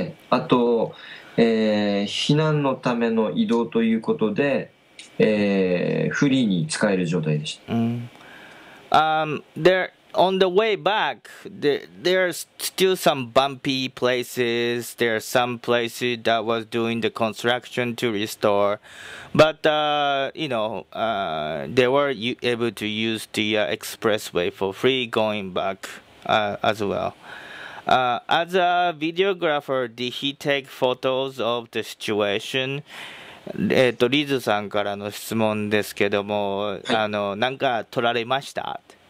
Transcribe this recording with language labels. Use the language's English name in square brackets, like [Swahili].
[Japanese] あと、避難のための移動ということで、フリーに使える状態でした。 [English] There on the way back, there's still some bumpy places. There are some places that was doing the construction to restore, but you know, they were able to use the expressway for free going back as well. As a videographer, did he take photos of the situation? [Japanese] リズさんからの質問ですけども、はい、なんか撮られました？